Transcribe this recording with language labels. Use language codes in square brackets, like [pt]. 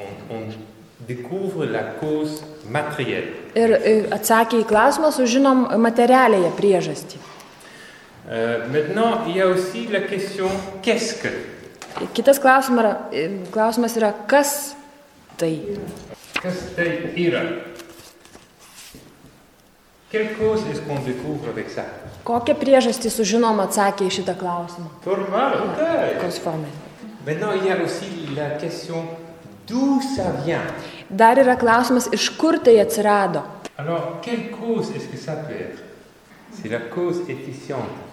[fr] On découvre la cause matérielle. [lt] Ir atsakė į klausimą, sužinom materialiąją priežastį. [fr] Maintenant, il y a aussi la question qu'est-ce que? [lt] Kitas klausimas yra kas tai? Kas tai yra? [fr] Quelle cause est-ce qu'on découvre avec ça? [lt] Kokia priežastį sužinom atsakė į šitą klausimą? Formal, tai. Kas formai? [fr] Maintenant, il y a aussi la question d'où ça vient? [lt] Dar yra klausimas iš kur tai atsirado? [fr] Alors, quelle cause est-ce que ça peut être? C'est la cause efficiente.